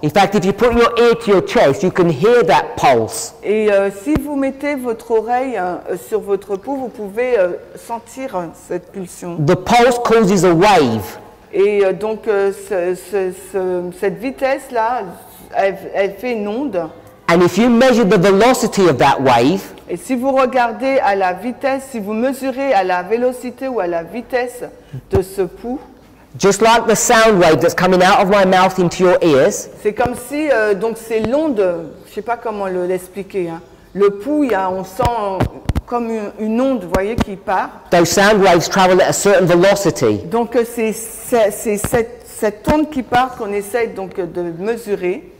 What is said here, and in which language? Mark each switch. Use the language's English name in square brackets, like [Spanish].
[English] In fact, if you put your ear to your chest, you can hear that pulse. [French] Et si vous mettez votre oreille sur votre peau, vous pouvez sentir cette pulsion. [English] The pulse causes a wave. [French] Et donc cette vitesse là, elle fait une onde. [English] And if you measure the velocity of that wave, [French] et si vous regardez à la vitesse, si vous mesurez à la vélocité ou à la vitesse de ce pouls, [English] just like the sound wave that's coming out of my mouth into your ears, [French] c'est comme si donc c'est l'onde, je sais pas comment l'expliquer, hein. Le pouls, on sent comme une onde, vous voyez, qui part. [English] Those sound waves travel at a certain velocity. [French] Donc c'est cette onde qui part qu'on essaye donc de mesurer.